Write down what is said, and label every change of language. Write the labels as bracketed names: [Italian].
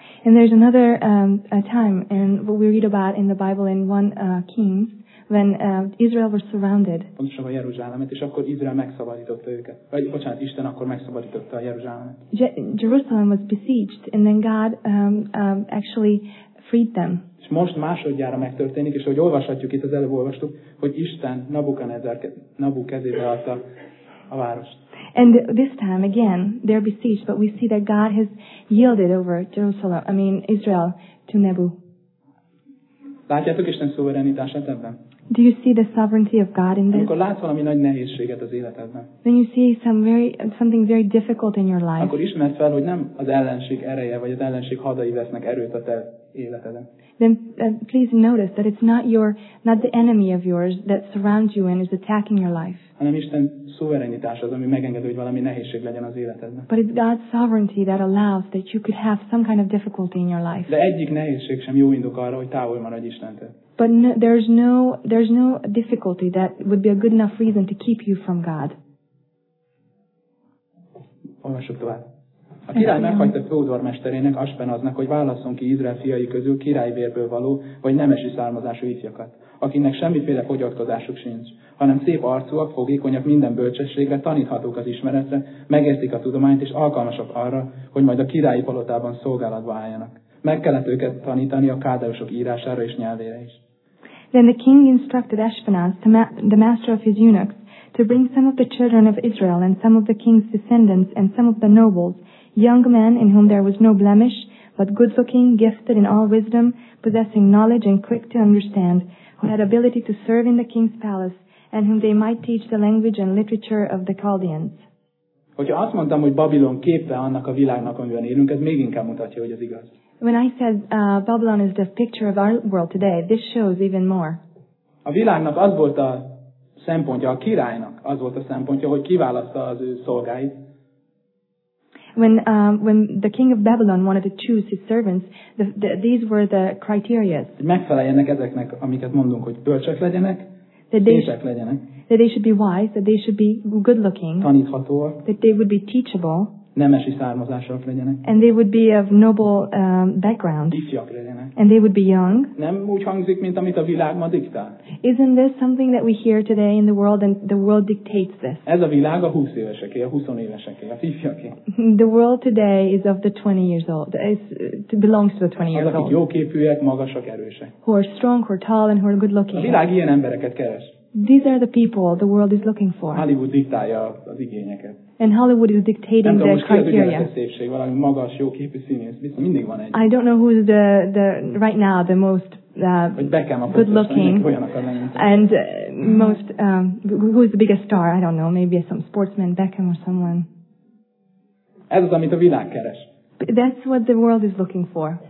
[English] And there's another time in what we read about in the Bible in 1 Kings when Israel was surrounded. [Hungarian] Pontosan a Jeruzsálemet, és akkor Izrael megszabadította őket. Bocsánat, Isten akkor megszabadította a Jeruzsálemet. [English] Jerusalem was besieged and then God actually freed them. [Hungarian] És most másodjára megtörténik, és ahogy olvashatjuk itt, az előbb olvastuk, hogy Isten Nabu kezébe adta a várost. [English] And this time again they're besieged, but we see that God has yielded over Jerusalem, I mean Israel, to Nebu. [Hungarian] Látjátok Isten szuverenitását ebben? [English] Do you see the sovereignty of God in this? [Hungarian] Amikor látsz valami nagy nehézséget az életedben. [English] When you see something very difficult in your life. [Hungarian] Akkor ismerd fel, hogy nem az ellenség ereje, vagy az ellenség hadai vesznek erőt a te életeden. [English] Then please notice that it's not the enemy of yours that surrounds you and is attacking your life. [Hungarian] Hanem Isten szuverenitás az, ami megengedi, hogy valami nehézség legyen az életedben. [English] But it's God's sovereignty that allows that you could have some kind of difficulty in your life. [Hungarian] De egyik nehézség sem jó indok arra, hogy távol maradj Istentől. [English] But there's no difficulty that would be a good enough reason to keep you from God. [Hungarian] Olvassuk tovább. A király meghagyta főudvarmesterének, Aspenaznak, hogy válasszon ki Izrael fiai közül királyvérből való, vagy nemesi származású ifjakat, akinek semmiféle fogyatkozásuk sincs, hanem szép arcúak, fogékonyak minden bölcsességre, taníthatók az ismeretre, megértik a tudományt, és alkalmasak arra, hogy majd a királyi palotában szolgálatba álljanak. Meg kellett őket tanítani a kádeusok írására és nyelvére is. [English] Then the king instructed Ashpenaz, the master of his eunuchs, to bring some of the children of Israel and some of the king's descendants and some of the nobles, young men in whom there was no blemish, but good looking, gifted in all wisdom, possessing knowledge and quick to understand, who had ability to serve in the king's palace, and whom they might teach the language and literature of the Chaldeans. [Hungarian] Hogyha azt mondtam, hogy Babilon képe annak a világnak, amiben élünk, ez még inkább mutatja, hogy ez igaz. [English] When I said Babylon is the picture of our world today, this shows even more. [Hungarian] A világnak az volt a szempontja, a királynak az volt a szempontja, hogy kiválaszta az ő szolgáit. [English] When the king of Babylon wanted to choose his servants, these were the criteria. [Hungarian] Megfeleljenek ezeknek, amiket mondunk, hogy bölcsek legyenek, szépek legyenek. [English] That they should be wise, that they should be good looking. [Hungarian] Taníthatóak. [English] That they would be teachable. [Hungarian] Nemesi származásúak legyenek. [English] And they would be of noble background. [Hungarian] Ifjak legyenek. [English] And they would be young. [Hungarian] Nem úgy hangzik, mint amit a világ ma diktál. [English] Isn't this something that we hear today in the world and the world dictates this? [Hungarian] Ez a világ a 20 éveseké, a 20 éveseké, a ifjaké. [English] The world today is of the 20 years old. It belongs to the 20 years old. [Hungarian] Azok, akik jóképűek, magasak, erősek. [English] Who are strong, who are tall, and who are good looking. [Hungarian] A világ ilyen embereket keres. [English] These are the people the world is looking for. [Hungarian] Hollywood diktálja az igényeket. [English] And Hollywood is dictating [Hungarian] nem [English] the criteria. [Hungarian] Nem tudom, hogy ki az ügyeletes szépség, valami magas, jó képű színész. Viszont mindig van egy. [English] I don't know who's the right now the most good looking. And most who's the biggest star? I don't know. Maybe some sportsman, Beckham or someone. [Hungarian] Ez az, amit a világ keres. [English] But that's what the world is looking for.